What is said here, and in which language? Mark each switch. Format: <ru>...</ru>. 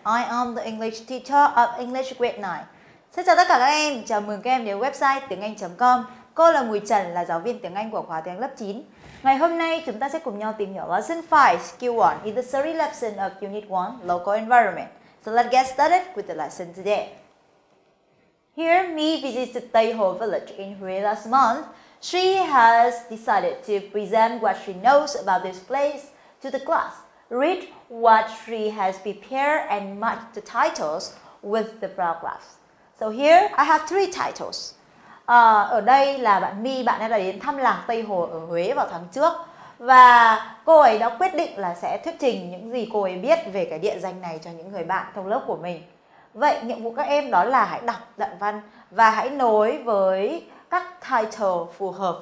<en>I am the English teacher of English Grade 9.</en> <vi>Xin chào tất cả các em. Chào mừng các em đến website tiengang.com. Cô là Mui Trần, là giáo viên tiếng Anh của khóa tiếng lớp 9. Ngày hôm nay chúng ta sẽ cùng nhau tìm hiểu</vi> <en>Lesson 5, Skill 1 in the series lesson of Unit 1, Local Environment. So let's get started with the lesson today. Here, Mi visits the Taiho village in Hue last month. She has decided to present what she knows about this place to the class, read what she has prepared, and match the titles with the paragraphs. So here, I have three titles.</en> <vi>Ở đây là bạn My, bạn ấy đã đến thăm làng Tây Hồ ở Huế vào tháng trước. Và cô ấy đã quyết định là sẽ thuyết trình những gì cô ấy biết về cái địa danh này cho những người bạn trong lớp của mình. Vậy nhiệm vụ các em đó là hãy đọc đoạn văn và hãy nối với các title phù hợp.</vi>